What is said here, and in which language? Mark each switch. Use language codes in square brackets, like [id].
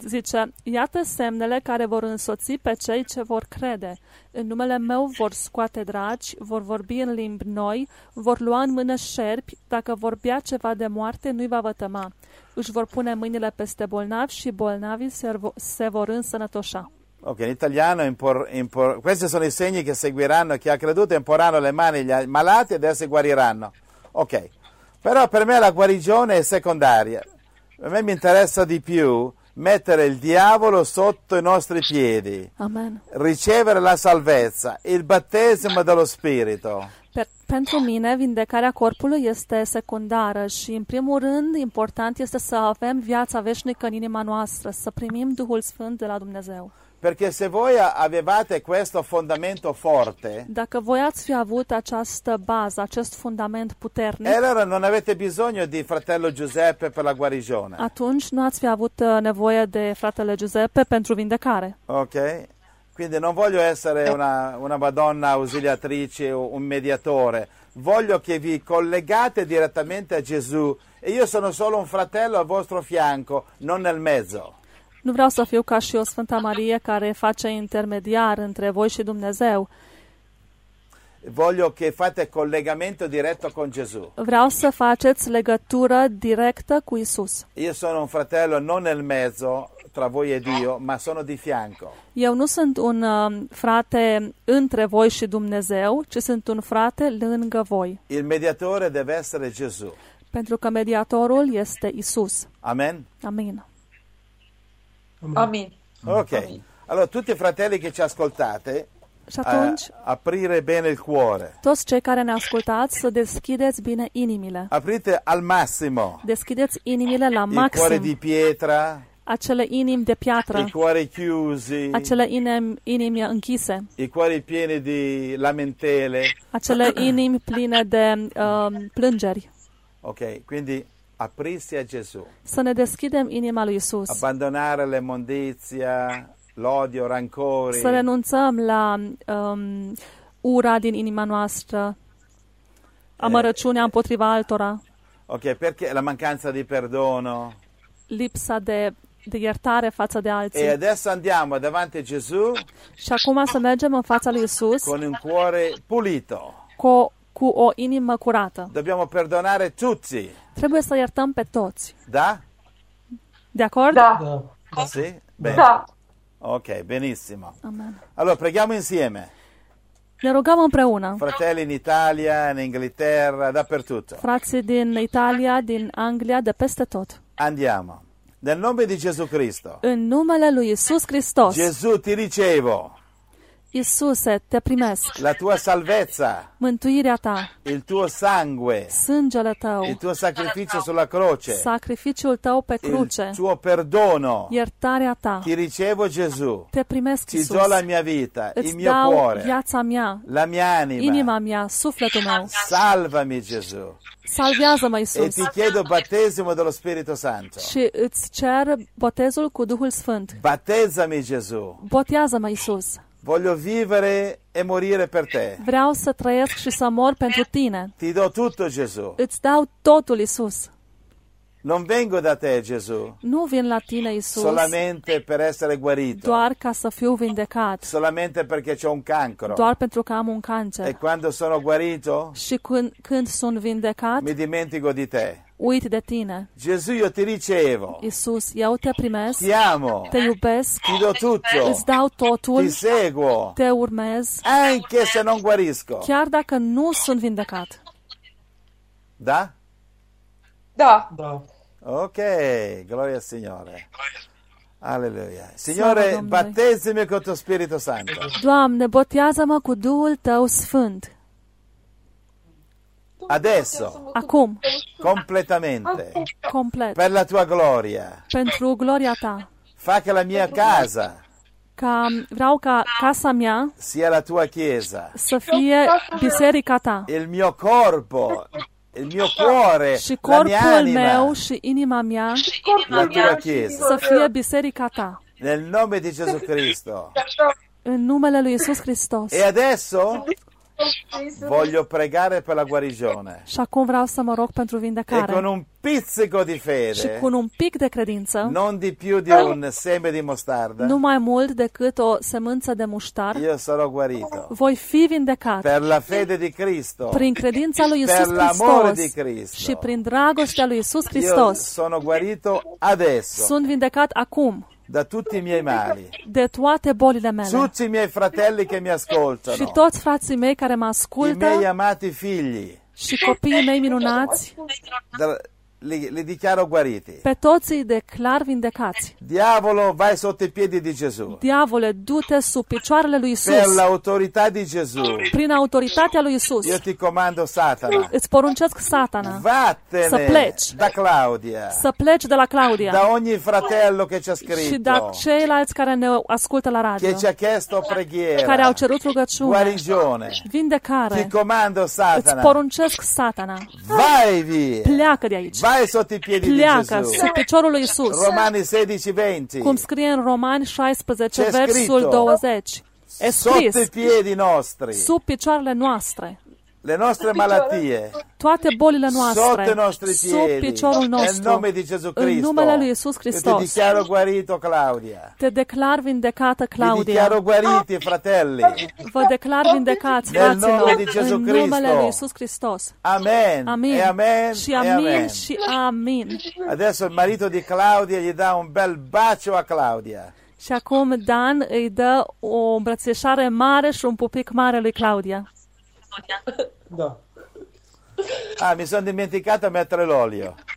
[ro] Zice, iată semnele care vor însoți pe cei ce vor crede. În numele meu vor scoate dragi, vor vorbi în limbi noi, vor lua în mână șerpi, dacă vor bea ceva de moarte, nu-i va vătăma. Își vor pune mâinile peste bolnavi și bolnavii se vor însănătoșa. [it] Ok, in italiano, questi sono i segni che seguiranno chi ha creduto, imporranno le mani agli malati ed essi guariranno. Ok, però per me la guarigione è secondaria. A me mi interessa di più mettere il diavolo sotto i nostri piedi, amen, ricevere la salvezza, il battesimo dello Spirito. [ro] Pentru mine, vindecarea corpului este secundară și, în primul rând, important este să avem viața veșnică în inima noastră, să primim Duhul Sfânt de la Dumnezeu. [it] Perché se voi avevate questo fondamento forte, [ro] dacă voi ați fi avut această bază, acest fundament puternic, [it] allora non avete bisogno di fratello Giuseppe per la guarigione. [ro] Atunci nu ați fi avut nevoie de fratele Giuseppe pentru vindecare. Ok. [it] Quindi non voglio essere una Madonna ausiliatrice o un mediatore. Voglio che vi collegate direttamente a Gesù e io sono solo un fratello al vostro fianco, non nel mezzo. [ro] Nu vreau să fiu ca și o Sfânta Marie care face intermediar între voi și Dumnezeu. [it] Voglio che fate collegamento diretto con Gesù. [ro] Vreau să faceți legătură directă cu Isus. [it] Io sono un fratello non nel mezzo tra voi e Dio, ma sono di fianco. [ro] Eu nu sunt un frate între voi și Dumnezeu, ci sunt un frate lângă voi. [it] Il mediatore deve essere Gesù. [ro] Pentru că mediatorul este Isus. Amen. Amen. Amen. Ok. Amen. [it] Allora tutti i fratelli che ci ascoltate, [ro] și atunci, [it] aprire bene il cuore. [ro] Toți cei care ne ascultați, să deschideți bine inimile. [it] Aprite al massimo. [ro] Deschideți inimile la maxim. [it] Il cuore di pietra. [ro] Acele inimi de piatră. [it] I cuori chiusi. [ro] Acele inimi închise. [it] I cuori pieni di lamentele. [ro] Acele inimi pline de plângeri. [it] Ok, quindi aprirsi a Gesù. [ro] Să ne deschidem inima lui Isus. [it] Abbandonare le immondizia, l'odio, rancori. [ro] Să renunțăm la ura din inima noastră, amărăciunea împotriva altora. [it] Ok, perché la mancanza di perdono. [ro] Lipsa de iertare față de alții. [it] E adesso andiamo davanti a Gesù. [ro] Și acum să mergem în fața lui Isus. [it] Con un cuore pulito. [ro] Cu o inimă curată. [it] Dobbiamo perdonare tutti. [ro] Trebuie să iertăm pe toți. Da? De acord? Da. [it] Sì? Bene. [ro] Da. [it] Ok, benissimo. Amen. Allora, preghiamo insieme. [ro] Ne rugăm împreună. [it] Fratelli in Italia, in Inghilterra, dappertutto. [ro] Frații din Italia, din Anglia, de peste tot. [it] Andiamo. Nel nome di Gesù Cristo. [ro] În numele lui Iisus Hristos. [it] Gesù, ti ricevo. [ro] Iisuse, te primesc. [it] La tua salvezza. [ro] Mântuirea ta. [it] Il tuo sangue. [ro] Sângele tău. [it] Il tuo sacrificio sulla croce. [ro] Sacrificiul tău pe cruce. [it] Il tuo perdono. [ro] Iertarea ta. [it] Ti ricevo, Gesù. [ro] Te primesc, Iisus. [it] Ti do la mia vita, il mio cuore. [ro] Îți dau viața mea. [it] La mia anima. [ro] Inima mea, sufletul meu. [it] Salvami, Gesù. [ro] Salvează-mă, Iisus. [it] E ti chiedo battesimo dello Spirito Santo. [ro] Și îți cer botezul cu Duhul Sfânt. [it] Battezzami, Gesù. [ro] Botează-mă, Iisus. [it] Voglio vivere e morire per te. [ro] Vreau să trăiesc și să mor pentru tine. [it] Ti do tutto, Gesù. [ro] Îți dau totul, Iisus. [it] Non vengo da te, Gesù. [ro] Nu vin la tine, Iisus. [it] Solamente per essere guarito. [ro] Doar ca să fiu vindecat. [it] Solamente perché c'ho un cancro. [ro] Doar pentru că am un cancer. [it] E quando sono guarito? [ro] Și când sunt vindecat? [it] Mi dimentico di te. [ro] Uit de tine. [it] Gesù, io ti ricevo. [ro] Iisus, eu te primesc. [it] Ti amo. [ro] Te iubesc. [it] Ti do tutto. [ro] Îți dau totul. [it] Ti seguo. [ro] Te urmez. [it] Anche se non guarisco. [ro] Chiar dacă nu sunt vindecat. Da? Da. Da. [it] Ok, gloria al Signore. Aleluia. Signore, battezzimi con il tuo Spirito Santo. [ro] Doamne, botează-mă cu Duhul tău sfânt. [it] Adesso. [ro] Acum. [it] Completamente. [ro] Complet. [it] Per la tua gloria. [ro] Pentru gloria ta. [it] Fa che la mia casa. [ro] Ca vreau ca casa mea [it] sia la tua chiesa. [ro] Să fie biserica ta. [it] Il mio corpo. Il mio cuore, [ro] și corpul [it] la mia anima, [ro] meu și inima mea [it] la tua chiesa, [ro] să fie biserica ta. [it] Nel nome di Gesù Cristo. [ro] În numele lui Iisus Hristos. [it] E adesso voglio pregare per la guarigione. [ro] Și acum vreau să mă rog pentru vindecare. [it] E con un pizzico di fede. [ro] Și cu un pic de credință. [it] Non di più di un seme di mostarda. [ro] Nu mai mult decât o semânță de muștar. [it] Io sarò guarito. [ro] Voi fi vindecat. [it] Per la fede di Cristo. [ro] Prin credința lui Iisus [it] Hristos. Per l'amore di Cristo. [ro] Și prin dragostea lui Iisus Hristos. [it] Io sono guarito adesso. [ro] Sunt vindecat acum. [it] Da tutti i miei mali. [ro] De toate bolile mele. [it] Tutti i miei fratelli che mi ascoltano. [ro] Și toți frații mei care mă ascultă. [it] I miei amati figli. [ro] Și copiii mei minunați. [it] Li dichiaro guariti. [ro] Pe toți îi declar vindecați. [it] Diavolo, vai sotto i piedi di Gesù. [ro] Diavole, du-te sub picioarele lui Isus. [it] Per l'autorità di Gesù. [ro] Prin autoritatea lui Isus. [it] Io ti comando, Satana. [ro] Îți poruncesc, Satana. [it] Vattene. [ro] Să pleci. [it] Da Claudia. [ro] Să pleci de la Claudia. [it] Da ogni fratello che ci ha scritto. [ro] Și da ceilalți care ne ascultă la radio. [it] Che ci ha chiesto preghiera. [ro] Care au cerut rugăciune. [it] Guarigione. [ro] Vindecare. [it] Ti comando, Satana. [ro] Îți poruncesc, Satana. [it] Vai via. [ro] Pleacă de aici. [it] Vai sotto i piedi [ro] Pleacă [it] di Gesù. [ro] Sub piciorul lui Iisus. Romani 16:20. Cum scrie în Romani 16, versul 20. E scris. [it] Sotto i piedi nostri. [ro] Sub picioarele noastre. [it] Le nostre malattie. [ro] Toate bolile noastre. [it] Sotto i nostri piedi. [ro] Sub piciorul nostru. [it] Nel nome di Gesù Cristo. [ro] În numele lui Iisus Hristos. [it] Te dichiaro guarito, Claudia. [ro] Te declar vindecată, Claudia. [it] Te dichiaro guariti, fratelli. [ro] Vă declar vindecați, fraților. [it] Nel nome di Gesù Cristo. [ro] În numele lui Iisus Hristos. Amen. Amin. [it] E amen. [ro] Și amin și amin. [it] Adesso il marito di Claudia gli dà un bel bacio a Claudia. [ro] Și acum Dan îi dă o îmbrățișare mare și un pupic mare lui Claudia. Da. [it] Ah, mi sono dimenticato a mettere l'olio.